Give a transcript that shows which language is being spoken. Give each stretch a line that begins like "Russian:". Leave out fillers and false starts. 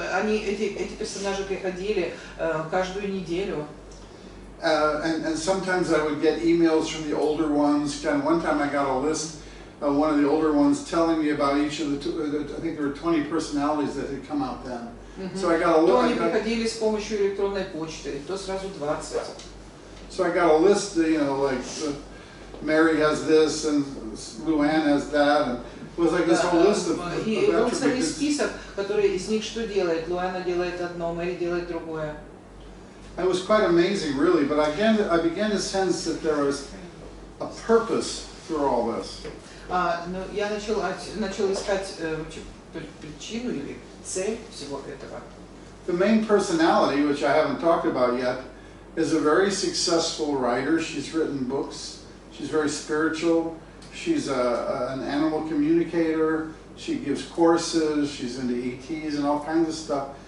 Russian: Эти персонажи приходили каждую неделю.
English: And sometimes I would get emails from the older ones. Kind of one time I got a list. One of the older ones telling me about each of the two, I think there were 20 personalities that had come out then. So I got a list.
Russian: То они приходили с помощью электронной почты, то сразу 20.
English: So I got a list, you know, like Mary has this and Luann has that, and was like this whole list of attributes.
Russian: Список, который из них что делает? Луана делает одно, Мэри делает другое.
English: It was quite amazing, really. But again, I began to sense that there was a purpose through all this.
Russian: Ну, я начал искать причину или цель всего этого.
English: The main personality, which I haven't talked about yet, is a very successful writer. She's written books. She's very spiritual. She's an animal communicator. She gives courses. She's into ETs and all kinds of stuff.